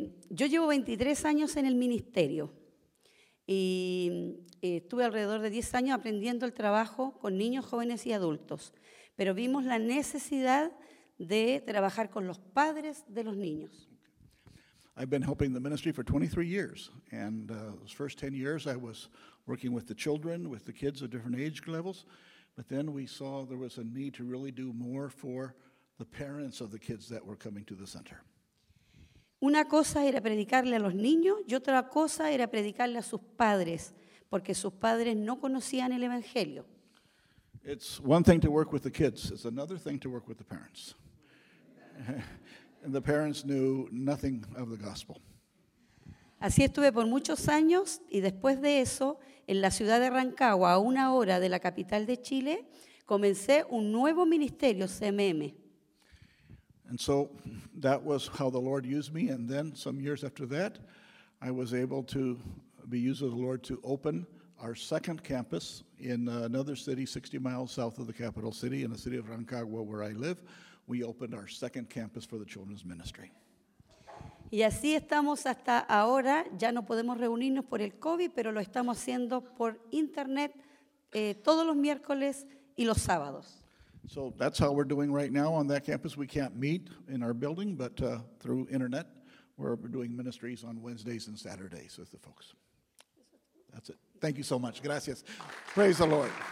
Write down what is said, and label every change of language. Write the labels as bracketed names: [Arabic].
[Spanish] Yo llevo 23 años en el ministerio y estuve alrededor de 10 años aprendiendo el trabajo con niños, jóvenes y adultos. Pero vimos la necesidad de trabajar con los padres de los niños. [English] I've been helping the ministry for 23 years, and those first 10 years I was working with the children, with the kids of different age levels. But then we saw there was a need to really do more for the parents of the kids that were coming to the center. [Spanish] Una cosa era predicarle a los niños, y otra cosa era predicarle a sus padres, porque sus padres no conocían el evangelio. [English] It's one thing to work with the kids, it's another thing to work with the parents. And the parents knew nothing of the gospel. [Spanish] Así estuve por muchos años y después de eso en la ciudad de Rancagua, a una hora de la capital de Chile, comencé un nuevo ministerio, CMM. [English] And so that was how the Lord used me, and then some years after that, I was able to be used of the Lord to open our second campus in another city 60 miles south of the capital city, in the city of Rancagua where I live. We opened our second campus for the children's ministry. [Spanish] Y así estamos hasta ahora. Ya no podemos reunirnos por el COVID, pero lo estamos haciendo por internet todos los miércoles y los sábados. [English] So that's how we're doing right now on that campus. We can't meet in our building, but through internet, we're doing ministries on Wednesdays and Saturdays with the folks. That's it. Thank you so much. Gracias. Praise the Lord.